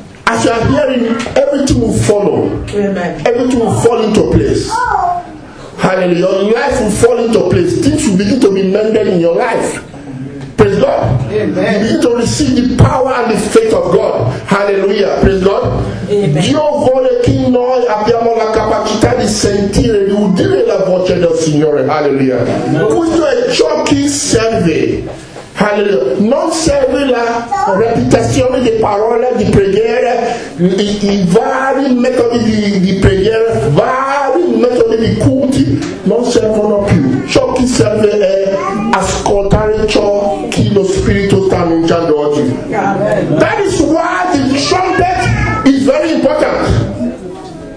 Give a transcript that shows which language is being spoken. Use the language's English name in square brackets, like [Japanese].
[English] As you are hearing, everything will follow. Amen. Everything will fall into place. Hallelujah. Your life will fall into place. Things will begin to be mended in your life. Praise God. Amen. You begin to receive the power and the faith of God. Hallelujah. Praise God. [Italian] Dio vuole che noi abbiamo la capacità di sentire di udire la voce del Signore. Hallelujah. Questo è ciò che serve. Hallelujah. Non serve la ripetizione di parole, di preghiere, i vari metodi di preghiere, vari metodi di culti, non servono più. Ciò che serve è ascoltare ciò che lo Spirito sta annunciando oggi. [English] That is why the trumpet is very important.